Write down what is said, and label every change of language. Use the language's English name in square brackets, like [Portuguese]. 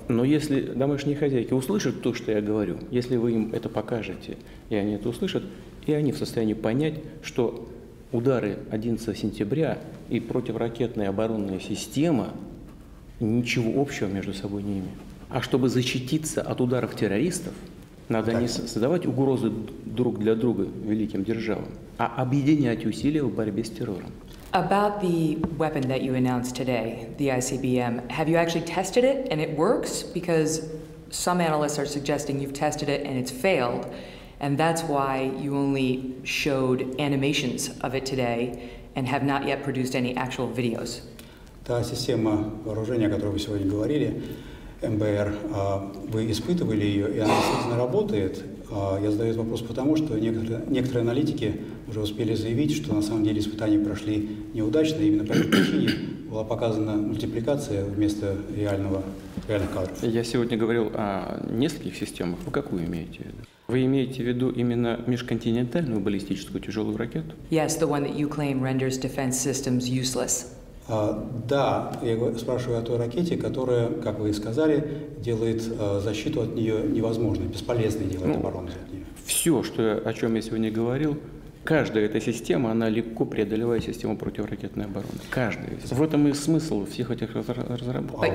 [Russian] Но если домашние хозяйки услышат то, что я говорю, если вы им это покажете, и они это услышат, и они в состоянии понять, что удары 11 сентября и противоракетная оборонная система ничего общего между собой не имеют. А чтобы защититься от ударов террористов, надо так. Не создавать угрозы друг для друга великим державам, а объединять усилия в борьбе с террором. [English] About the weapon that you announced today, the ICBM, have you actually tested it and it works? Because some analysts are suggesting you've tested it and it's failed, and that's why you only showed animations of it today and have not yet produced any actual videos. [Russian] Та система вооружения, о которой вы сегодня говорили, МБР, вы испытывали ее, и она действительно работает. Я задаю этот вопрос потому, что некоторые аналитики уже успели заявить, что на самом деле испытания прошли неудачно, и именно по этой причине была показана мультипликация вместо реальных кадров. Я сегодня говорил о нескольких системах. Вы какую имеете в виду? Вы имеете в виду именно межконтинентальную баллистическую тяжелую ракету? [English] Yes, the one that you claim renders defense systems useless. [Russian] Да, я спрашиваю о той ракете, которая, как вы и сказали, делает защиту от нее невозможной, бесполезной делает оборону от нее. Все, что, о чем я сегодня говорил, каждая эта система, она легко преодолевает систему противоракетной обороны. Каждая. Да. В этом и смысл всех этих разработок.